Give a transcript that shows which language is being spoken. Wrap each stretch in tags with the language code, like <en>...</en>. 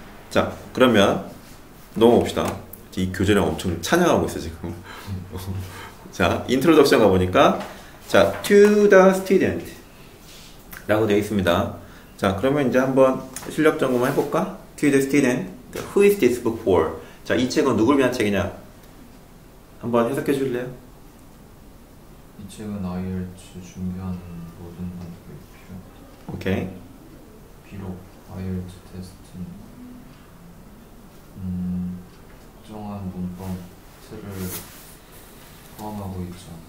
<ko>자 그러면 넘어봅시다. 이 교재를 엄청 찬양하고 있어 지금. 자 인트로덕션 가보니까 자</ko> <en>to the student</en> <ko>라고 되어 있습니다. 자 그러면 이제 한번 실력 점검 해볼까?</ko> <en>to the student, who is this book for?</en> <ko>자 이 책은 누굴 위한 책이냐? 한번 해석해 줄래요? 이 책은 IELTS 준비하는 모든 분들께 필요합니다. 오케이. 비록 IELTS 테스트는 특정한 문법틀을 포함하고 있죠.</ko>